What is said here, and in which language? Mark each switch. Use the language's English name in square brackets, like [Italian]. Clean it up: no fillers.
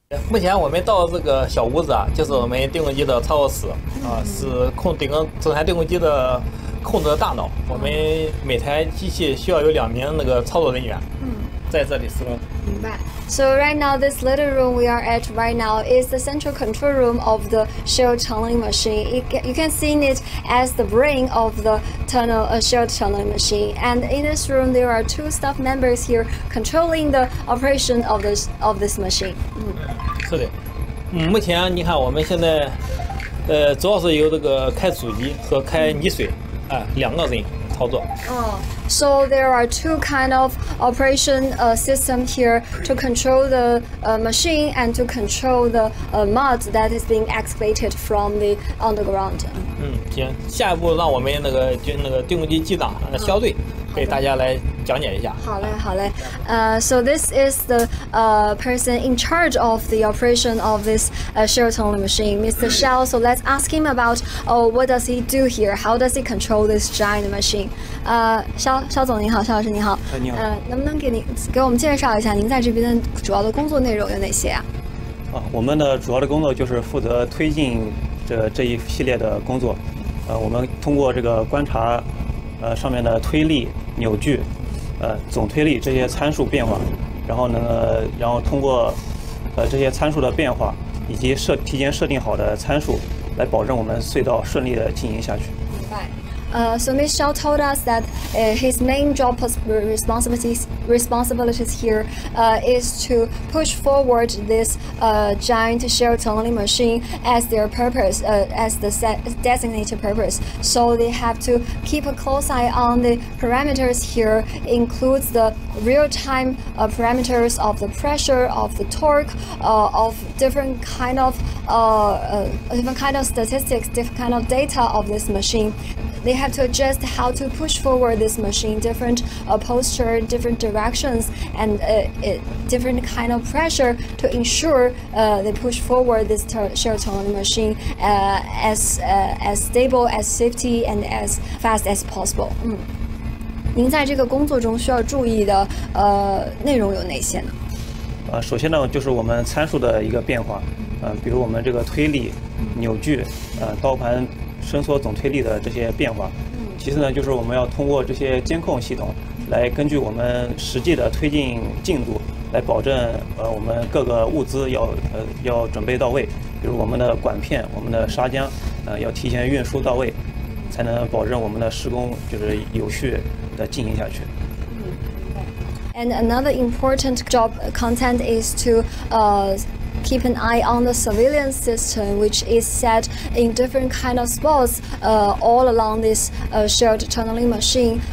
[Chinese] 目前我们到这个小屋子啊，就是我们盾构机的操作室啊，是控整个整台盾构机的控制的大脑。我们每台机器需要有2名那个操作人员，在这里施工。明白。 [English] So right now, this little room we are at right now is the central control room of the shear tunneling machine. You can see it as the brain of the tunnel, a shear tunneling machine. And in this room, there are 2 staff members here controlling the operation of this machine. [Chinese] 是的，目前你看我们现在，主要是由这个开主机和开泥水，两个人操作。 [English] So there are 2 kind of operation system here to control the machine and to control the mud that is being excavated from the underground. [Chinese] 行，下一步让我们那个盾构机机长肖队给大家来讲解一下。好嘞，好嘞。 [English] So this is the person in charge of the operation of this shear tunneling machine, Mr. Xiao. So let's ask him about, what does he do here? How does he control this giant machine? [Chinese] 肖总您好，肖老师您好。你好。能不能给我们介绍一下您在这边的主要的工作内容有哪些啊？我们的主要的工作就是负责推进这一系列的工作。我们通过这个观察，上面的推力、扭矩、总推力这些参数变化，然后通过这些参数的变化，以及提前设定好的参数，来保证我们隧道顺利的进行下去。 [English] So Ms. Xiao told us that his main job responsibilities here is to push forward this giant shell tunneling machine as their purpose, as the designated purpose. So they have to keep a close eye on the parameters here, includes the real-time parameters of the pressure, of the torque, of different kind of statistics, different kind of data of this machine. They have to adjust how to push forward this machine, different posture, different directions, and different kind of pressure to ensure they push forward this shell tunneling machine as stable, as safety, and as fast as possible. [Chinese] 您在这个工作中需要注意的内容有哪些呢？首先呢，就是我们参数的一个变化，比如我们这个推力、扭矩、刀盘伸缩总推力的这些变化。其次呢，就是我们要通过这些监控系统，来根据我们实际的推进进度，来保证我们各个物资要准备到位，比如我们的管片、我们的砂浆，要提前运输到位，才能保证我们的施工就是有序的进行下去。 [English] And another important job content is to keep an eye on the surveillance system, which is set in different kind of spots all along this shared tunneling machine.